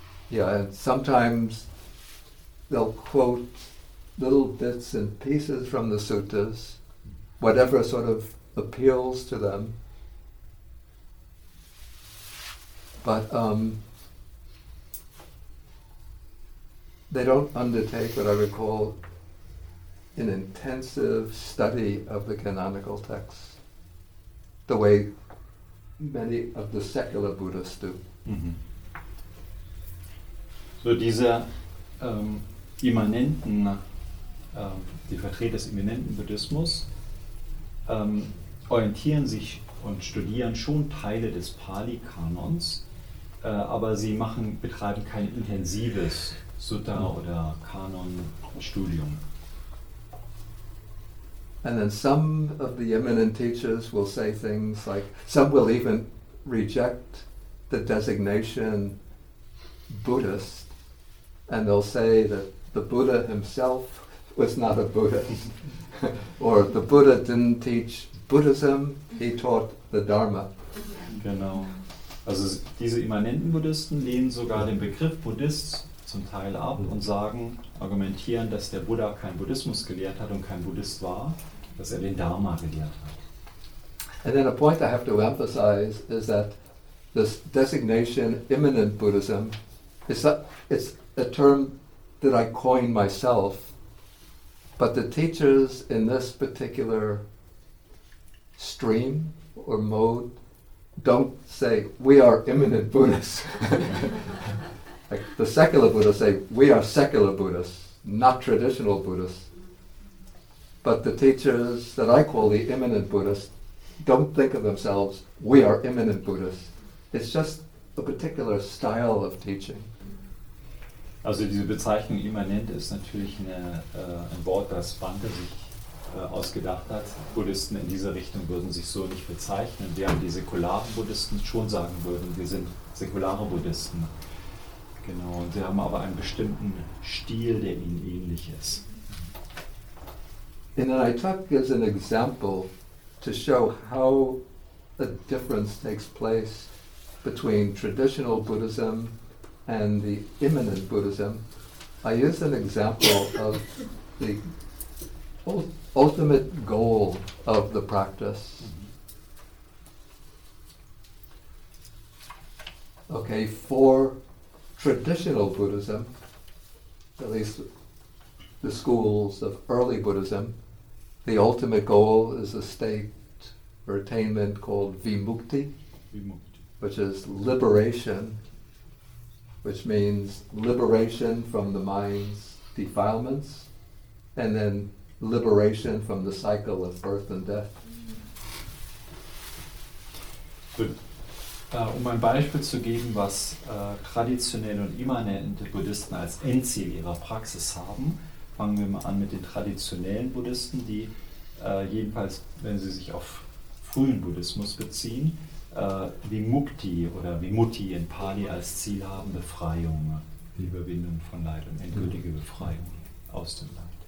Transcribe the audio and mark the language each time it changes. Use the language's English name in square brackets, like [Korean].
[English] Yeah, and sometimes they'll quote little bits and pieces from the suttas, whatever sort of appeals to them, but they don't undertake what I would call an intensive study of the canonical texts the way many of the secular Buddhists do. Mm-hmm. [German] So diese immanenten, die Vertreter des immanenten Buddhismus, orientieren sich und studieren schon Teile des Pali-Kanons, aber sie betreiben kein intensives Sutta- oder Kanon-Studium. [English] And then some of the eminent teachers will say things like, some will even reject the designation Buddhist, and they'll say that the Buddha himself was not a Buddha, or the Buddha didn't teach Buddhism, he taught the Dharma. [German] Genau. Also diese immanenten Buddhisten lehnen sogar den Begriff Buddhist zum Teil ab und sagen, argumentieren, dass der Buddha kein Buddhismus gelehrt hat und kein Buddhist war, dass er den Dharma gelehrt hat. [English] And then a point I have to emphasize is that this designation immanent Buddhism is that it's a term that I coined myself, but the teachers in this particular stream or mode don't say we are immanent Buddhists. Like the secular Buddhists say we are secular Buddhists, not traditional Buddhists. But the teachers that I call the immanent Buddhists don't think of themselves, we are immanent Buddhists. It's just a particular style of teaching. [German] Also diese Bezeichnung immanent ist natürlich ein Wort, das Bante sich ausgedacht hat. Buddhisten in dieser Richtung würden sich so nicht bezeichnen, während die säkularen Buddhisten schon sagen würden, wir sind säkulare Buddhisten. Genau, und sie haben aber einen bestimmten Stil, der ihnen ähnlich ist. [English] And then I took as an example to show how a difference takes place between traditional Buddhism and the immanent Buddhism. I used an example of the ultimate goal of the practice. Okay, for traditional Buddhism, at least the schools of early Buddhism, the ultimate goal is a state or attainment called vimukti, which is liberation, which means liberation from the mind's defilements, and then liberation from the cycle of birth and death. Good. [German] Um ein Beispiel zu geben, was traditionelle und immanente Buddhisten als Endziel ihrer Praxis haben, fangen wir mal an mit den traditionellen Buddhisten, die jedenfalls, wenn sie sich auf frühen Buddhismus beziehen, Vimukti oder Vimutti in Pali als Ziel haben, Befreiung, die Überwindung von Leid und endgültige Befreiung aus dem Leid.